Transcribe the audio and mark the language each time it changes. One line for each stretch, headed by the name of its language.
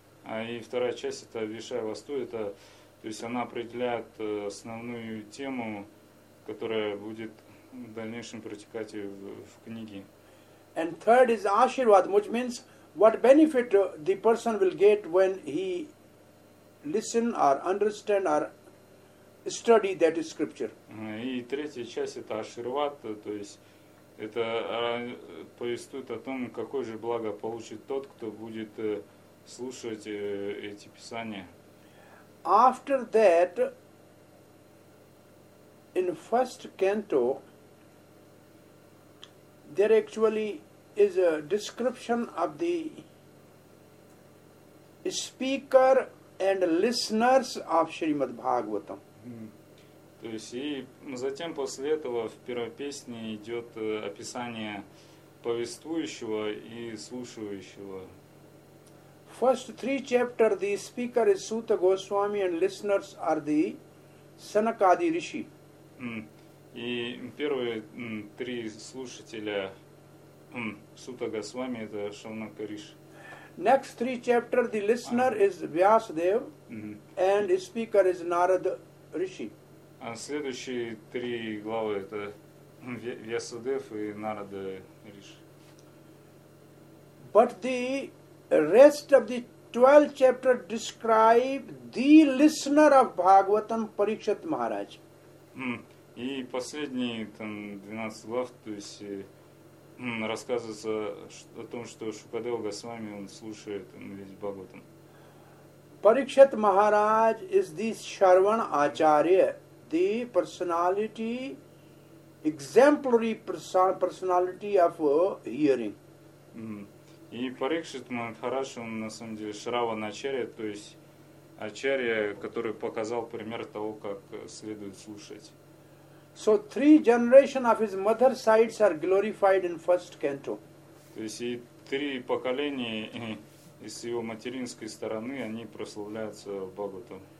Russian: А и вторая часть это Вишая Васту, это то есть она определяет основную тему, которая будет в дальнейшем протекать в книге.
English: And third is Ashirvad, which means what benefit the person will get when he listen or understand or study that scripture.
Russian: И третья часть это Ашерват, то есть это повествует о том, какое же благо получит тот, кто будет слушать эти писания.
English: After that, in first canto, there actually is a description of the speaker and listeners of Shrimad Bhagavatam.
Russian: То есть и затем после этого в первой песне идет описание повествующего и слушающего.
English: First three chapter the speaker is Suta Goswami and listeners are the Sanakadi Rishi.
Russian: И первые три слушателя Suta Goswami это Шаунака Риши.
English: Next three chapter the listener is Vyasadev and speaker is Narada Rishi.
Russian: А следующие три главы это Vyasadev и Narada Rishi.
English: But the rest of the 12th chapter describe the listener of Bhagavatam Parikshit Maharaj.
Russian: И последние там 12 глав, то есть рассказывается о том, что Шукадева Госвами он слушает весь Бхагаватам.
English: Parikshit Maharaj is the Sharvan Acharya, the personality, exemplary personality of hearing.
Russian: И Парикшит Махарадж, он на самом деле Шраван Ачарья, то есть Ачарья, который показал пример того, как следует слушать.
English: So three generation of his mother sides are glorified in first canto.
Russian: То есть и три поколения из его материнской стороны, они прославляются в Бхагаватам.